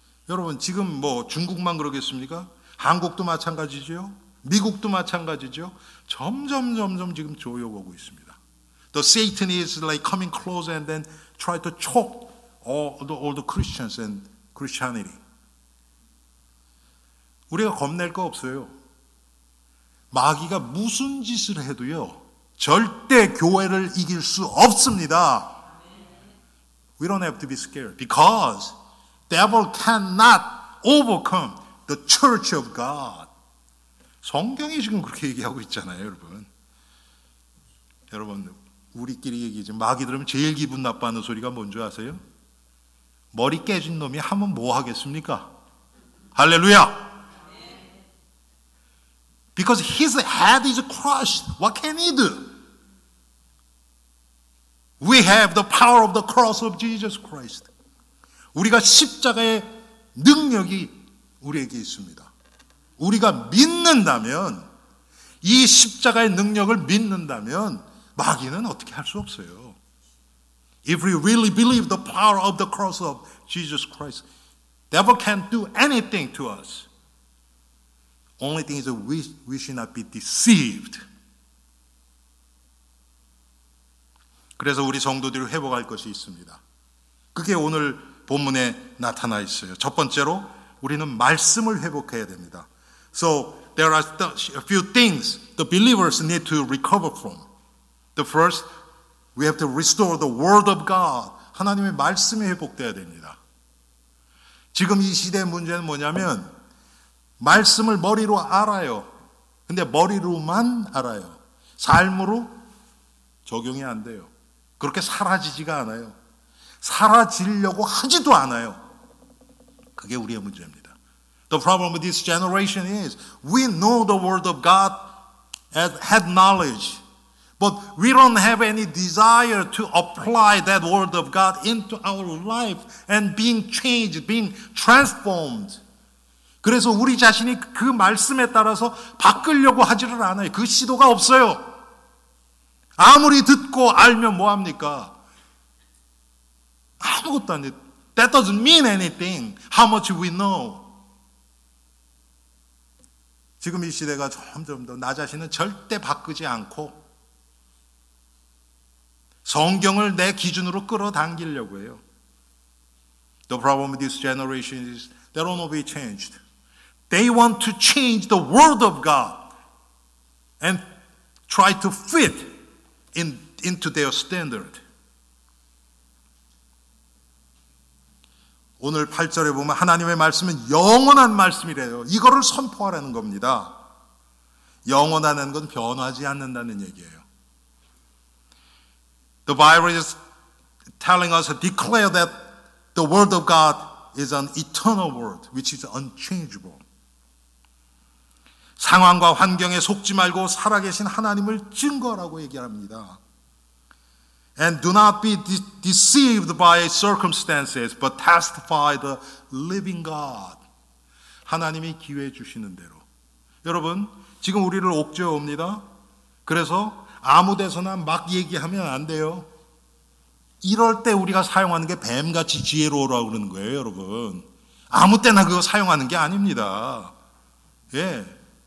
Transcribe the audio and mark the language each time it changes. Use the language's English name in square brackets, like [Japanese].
[Korean] 여러분 지금 뭐 중국만 그러겠습니까? 한국도 마찬가지죠. 미국도 마찬가지죠. 점점 지금 조여오고 있습니다. [English] The Satan is like coming close and then try to choke all the Christians and Christianity. [Korean] 우리가 겁낼 거 없어요. 마귀가 무슨 짓을 해도요, 절대 교회를 이길 수 없습니다. [English] We don't have to be scared because devil cannot overcome the church of God. [Korean] 성경이 지금 그렇게 얘기하고 있잖아요, 여러분. 여러분, 우리끼리 얘기하지. 마귀 들으면 제일 기분 나빠하는 소리가 뭔지 아세요? 머리 깨진 놈이 하면 뭐 하겠습니까? 할렐루야! [English] Because his head is crushed. What can he do? We have the power of the cross of Jesus Christ. [Korean] 우리가 십자가의 능력이 우리에게 있습니다. 우리가 믿는다면, 이 십자가의 능력을 믿는다면 마귀는 어떻게 할 수 없어요. [English] If we really believe the power of the cross of Jesus Christ, devil can't do anything to us. Only thing is we should not be deceived. [Korean] 그래서 우리 성도들이 회복할 것이 있습니다. 그게 오늘 본문에 나타나 있어요. 첫 번째로 우리는 말씀을 회복해야 됩니다. [English] So there are a few things the believers need to recover from. The first, we have to restore the word of God. [Korean] 하나님의 말씀이 회복돼야 됩니다. 지금 이 시대의 문제는 뭐냐면 말씀을 머리로 알아요. 근데 머리로만 알아요. 삶으로 적용이 안 돼요. 그렇게 사라지지가 않아요. 사라지려고 하지도 않아요. 그게 우리의 문제입니다. [English] The problem with this generation is we know the word of God and had knowledge, but we don't have any desire to apply that word of God into our life and being changed, being transformed. [Korean] 그래서 우리 자신이 그 말씀에 따라서 바꾸려고 하지를 않아요. 그 시도가 없어요. 아무리 듣고 알면 뭐합니까? 아무것도 안 돼. [English] That doesn't mean anything. How much we know. [Korean] 지금 이 시대가 점점 더 나 자신은 절대 바꾸지 않고 성경을 내 기준으로 끌어당기려고 해요. [English] The problem with this generation is they don't want to be changed. They want to change the word of God and try to fit in, into their standard. [Korean] 오늘 8절에 보면 하나님의 말씀은 영원한 말씀이래요. 이거를 선포하라는 겁니다. 영원하다는 건 변하지 않는다는 얘기예요. [English] The Bible is telling us to declare that the word of God is an eternal word, which is unchangeable. [Korean] 상황과 환경에 속지 말고 살아계신 하나님을 증거하라고 얘기합니다. [English] And do not be deceived by circumstances, but testify the living God. [Korean] 하나님이 기회 주시는 대로. 여러분, 지금 우리를 옥죄어옵니다. 그래서 아무 데서나 막 얘기하면 안 돼요. 이럴 때 우리가 사용하는 게 뱀같이 지혜로우라고 그러는 거예요, 여러분. 아무 때나 그거 사용하는 게 아닙니다. 예.